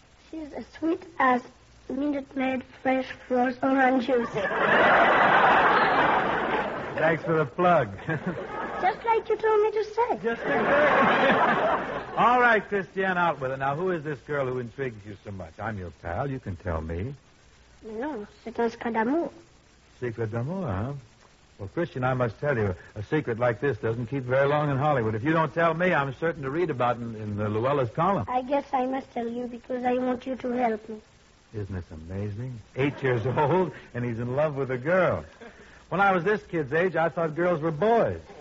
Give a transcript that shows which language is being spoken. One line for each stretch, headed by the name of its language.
English: She's as sweet as Minute Maid fresh frozen orange juice. Thanks for the plug. Just like you told me to say. Just exactly. All right, Christiane, out with it. Now, who is this girl who intrigues you so much? I'm your pal. You can tell me. No,
French: c'est un secret d'amour. Secret d'amour, huh?
English: Well, Christian, I must tell you, a secret like this doesn't keep very long in Hollywood. If you don't tell me, I'm certain to read about it in the Luella's column. I guess I must tell you because I want you to help me. Isn't this amazing? 8 years old, and he's in love with a girl. When I was this kid's age, I thought girls were boys.